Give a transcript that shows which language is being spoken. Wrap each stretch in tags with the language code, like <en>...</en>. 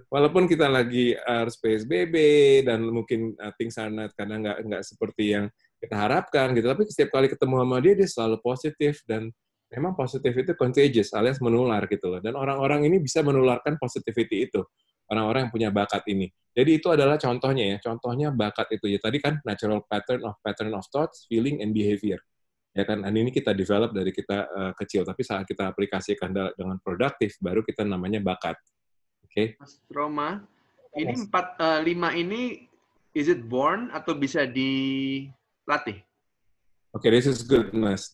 <id>Walaupun kita lagi harus PSBB, dan mungkin</id> <en>things are not,</en> <id>karena nggak seperti yang kita harapkan gitu. Tapi setiap kali ketemu sama dia, dia selalu positif. Dan memang positif itu contagious, alias menular gitu loh. Dan orang-orang ini bisa menularkan positivity itu. Orang-orang yang punya bakat ini. Jadi itu adalah contohnya ya. Contohnya bakat itu ya. Tadi kan</id> <en>natural pattern of thoughts, feeling, and behavior.</en> <id>Ya kan? Dan ini kita develop dari kita kecil. Tapi saat kita aplikasikan dengan produktif, baru kita namanya bakat. Oke? Mas Roma, ini 5 ini,</id> <en>is it born</en> <id>atau bisa dilatih? Oke,</id> <en>okay, this is good, Mas.</en>